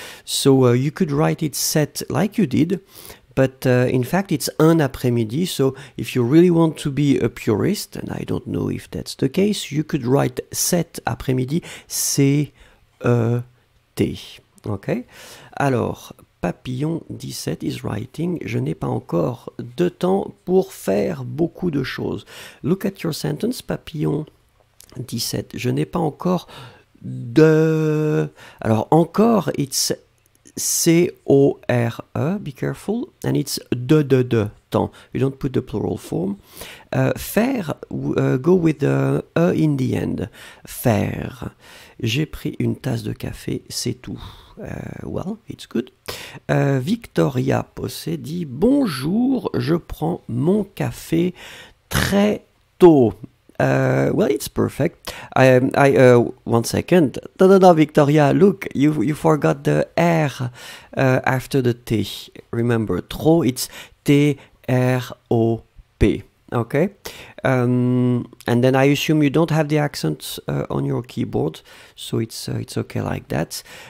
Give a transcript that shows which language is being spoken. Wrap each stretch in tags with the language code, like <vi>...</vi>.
<en>So you could write it set like you did. But in fact, it's un après-midi, so if you really want to be a purist, and I don't know if that's the case, you could write cet après-midi, C-E-T, okay?</en> <fr>Alors, Papillon 17</fr> <en>is writing,</en> <fr>je n'ai pas encore de temps pour faire beaucoup de choses.</fr> <en>Look at your sentence,</en> <fr>Papillon 17, je n'ai pas encore de...</fr> <en>Alors, encore, it's... C-O-R-E, be careful, and it's de, temps. You don't put the plural form. Faire, go with the E in the end.</en> <fr>Faire. J'ai pris une tasse de café, c'est tout.</fr> <en>Well, it's good.</en> <fr>Victoria Posse dit, bonjour, je prends mon café très tôt.</fr> <en>Well, it's perfect. One second. No, Victoria, look, you forgot the R after the T. Remember, trop, it's T-R-O-P. Okay? And then I assume you don't have the accent on your keyboard, so it's okay like that.</en>